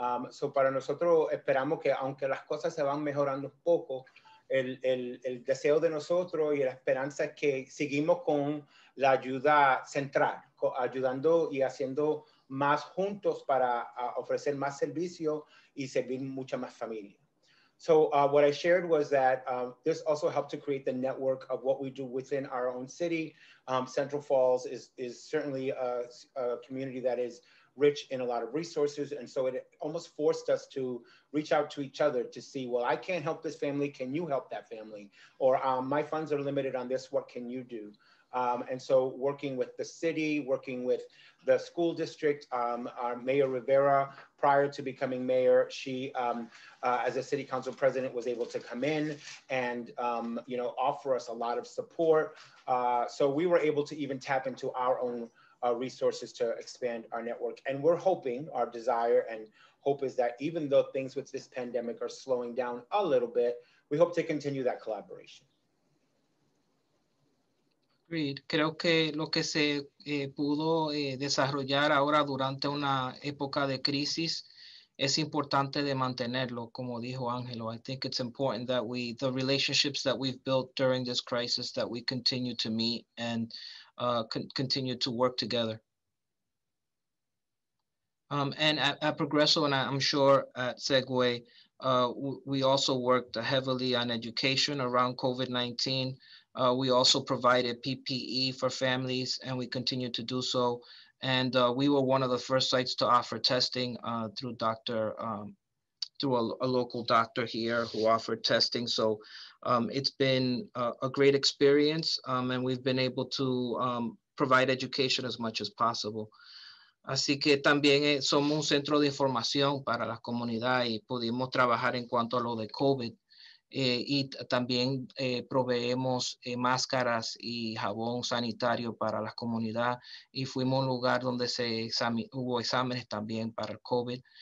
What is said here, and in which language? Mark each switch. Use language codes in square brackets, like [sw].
[es] So para nosotros esperamos que, aunque las cosas se van mejorando un poco, el deseo de nosotros y la esperanza es que seguimos con la ayuda central, ayudando y haciendo más juntos para ofrecer más servicio y servir mucha más familia. [en] So what I shared was that this also helped to create the network of what we do within our own city. Central Falls is certainly a community that is rich in a lot of resources. And so it almost forced us to reach out to each other to see, well, I can't help this family. Can you help that family? Or my funds are limited on this. What can you do? And so working with the city, working with the school district, our Mayor Rivera, prior to becoming mayor, she, as a city council president, was able to come in and offer us a lot of support. So we were able to even tap into our own resources to expand our network. And we're hoping, our desire and hope is that even though things with this pandemic are slowing down a little bit, we hope to continue that collaboration. [es] Reed, creo que lo que se pudo desarrollar ahora durante una época de crisis es importante de mantenerlo, como dijo Angelo. [en] I think it's important that the relationships that we've built during this crisis, that we continue to meet and continue to work together. And at Progreso, and I'm sure at Segway, we also worked heavily on education around COVID-19. We also provided PPE for families, and we continue to do so. And we were one of the first sites to offer testing through a local doctor here who offered testing. So it's been a great experience, and we've been able to provide education as much as possible. [es] Así que también somos un centro de información para la comunidad y pudimos trabajar en cuanto a lo de COVID. Y también proveemos máscaras y jabón sanitario para la comunidad y fuimos a un lugar donde hubo exámenes también para el COVID.